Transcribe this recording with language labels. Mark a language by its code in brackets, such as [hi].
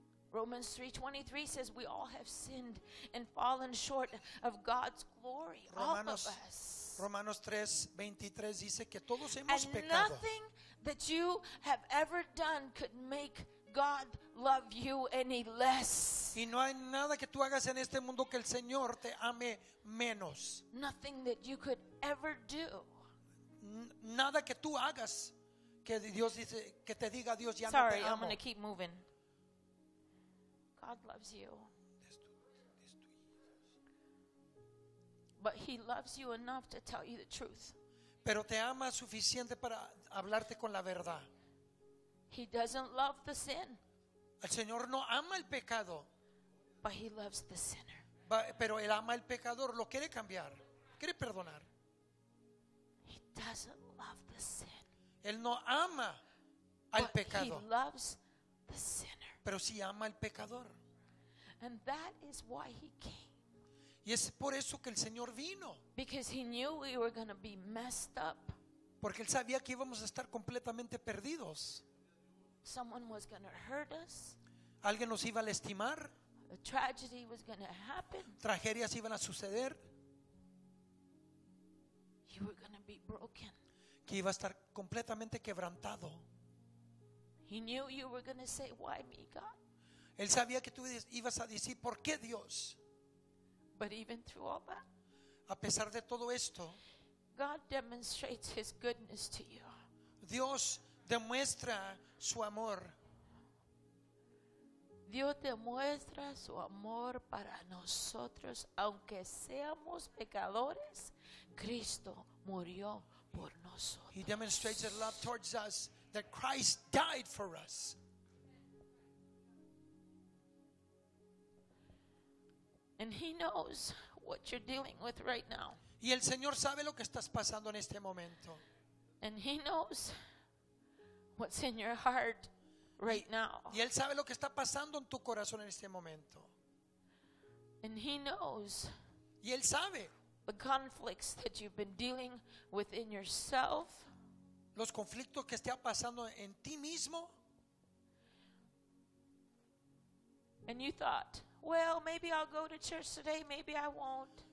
[en] Romans 3:23 says we all have sinned and fallen short of God's glory. [es] Romanos, [en] all of us. [es] Romanos 3:23 dice que todos hemos [en] and [es] pecado. [en] And nothing that you have ever done could make God love you any less. [es] Y no hay nada que tú hagas en este mundo que el Señor te ame menos. Nothing that you could ever do. Nada que tú hagas que Dios dice que te diga Dios ya [en] sorry, [es] no te amo. [en] Sorry, I'm going to keep moving. God loves you. But He loves you enough to tell you the truth. [es] Pero te ama suficiente para hablarte con la verdad. [en] He doesn't love the sin. [es] El Señor no ama el pecado. [en] But He loves the sinner. [es] Pero él ama al pecador, lo quiere cambiar, quiere perdonar. [en] He doesn't love the sin. [es] Él no ama al pecado. [en] He loves the sinner. [es] Pero sí ama al pecador. [en] And that is why he came. [es] Y es por eso que el Señor vino. [en] Because he knew we were going to be messed up. [es] Porque él sabía que íbamos a estar completamente perdidos. [en] Someone was going to hurt us. [es] Alguien nos iba a lastimar. [en] A tragedy was going to happen. [es] Tragedias iban a suceder. [en] You were going to be broken. [es] Que iba a estar completamente quebrantado. [en] He knew you were going to say, "Why me, God?" [es] Él sabía que tú ibas a decir, "¿Por qué, Dios?" [en] But even through all that, [es] a pesar de todo esto, [en] God demonstrates his goodness to you. [es] Dios demuestra su amor. Dios demuestra su amor para nosotros, aunque seamos pecadores, Cristo murió por nosotros. [en] He demonstrates his love towards us, that Christ died for us. And he knows what you're dealing with right now. [es] Y el Señor sabe lo que estás pasando en este momento. [en] And he knows what's in your heart right now. [es] Y él sabe lo que está pasando en tu corazón en este momento. [en] And he knows. [es] Y él sabe. [en] The conflicts that you've been dealing within yourself. [es] Los conflictos que está pasando en ti mismo. [en] And you thought, "Well, maybe I'll go to church today, maybe I won't."